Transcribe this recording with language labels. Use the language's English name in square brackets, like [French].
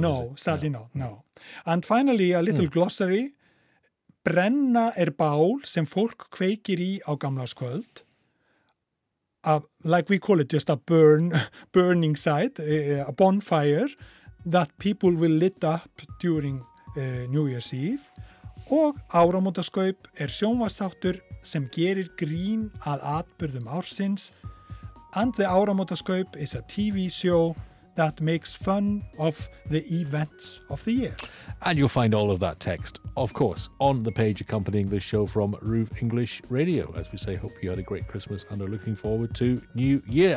[English] No, sadly not. No. And finally, a little glossary. [Icelandic] Brenna bál sem fólk kveikir í á gamlárskvöld. [English] Like we call it, just a burning site, a bonfire that people will lit up during New Year's Eve. [Icelandic] Og áramótaskaup sjónvarpsþáttur sem gerir grín að atburðum ársins. [English] And the áramótaskaup is a TV show that makes fun of the events of the year. And you'll find all of that text, of course, on the page accompanying this show from Roof English Radio. As we say, hope you had a great Christmas and are looking forward to New Year.